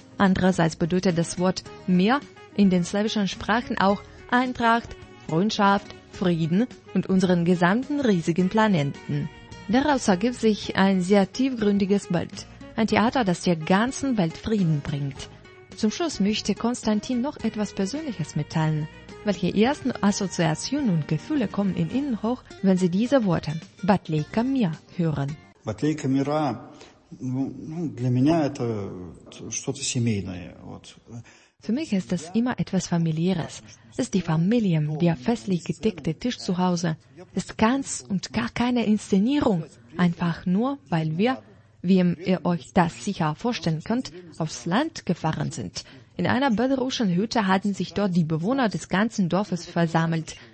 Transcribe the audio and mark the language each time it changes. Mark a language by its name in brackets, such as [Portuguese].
[German] Andererseits bedeutet das Wort Mir in den slawischen Sprachen auch Eintracht, Freundschaft, Frieden und unseren gesamten riesigen Planeten. Daraus ergibt sich ein sehr tiefgründiges Bild. ein Theater, das der ganzen Welt Frieden bringt. Zum Schluss möchte Konstantin noch etwas Persönliches mitteilen. Welche ersten Assoziationen und Gefühle kommen in Ihnen hoch, wenn Sie diese Worte «Батлейка мира» hören? [Russian] «Батлейка мира» для меня это что-то семейное. [German] Für mich ist das immer etwas Familiäres. Es ist die Familie, der festlich gedeckte Tisch zu Hause. Es ist ganz und gar keine Inszenierung. Einfach nur, weil wir, wie ihr euch das sicher vorstellen könnt, aufs Land gefahren sind. In einer belarussischen Hütte hatten sich dort die Bewohner des ganzen Dorfes versammelt.